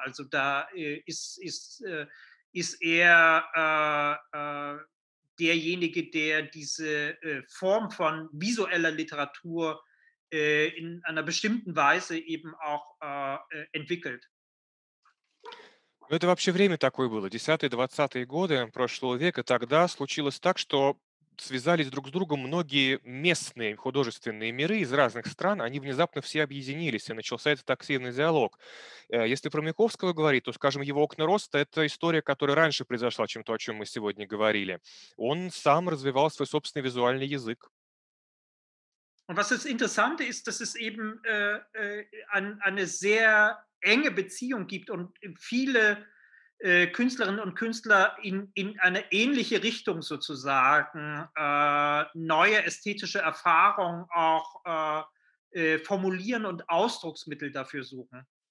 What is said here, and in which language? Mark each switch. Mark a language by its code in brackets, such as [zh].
[de] Also da ist er derjenige, der diese Form von visueller Literatur in einer bestimmten Weise eben auch entwickelt. [ru] Это вообще время такое было. 10-20-е годы прошлого века. Тогда случилось так, что связались друг с другом многие местные художественные миры из разных стран, они внезапно все объединились, и начался этот активный диалог. Если про Маяковского говорить, то, скажем, его «Окна роста» — это история, которая раньше произошла, чем то, о чем мы сегодня говорили. Он сам развивал свой собственный визуальный язык. [de] Und was ist interessant ist, dass es eben eine sehr enge Beziehung gibt und viele Künstlerinnen und Künstler in eine ähnliche Richtung sozusagen neue ästhetische Erfahrungen auch formulieren und Ausdrucksmittel dafür suchen.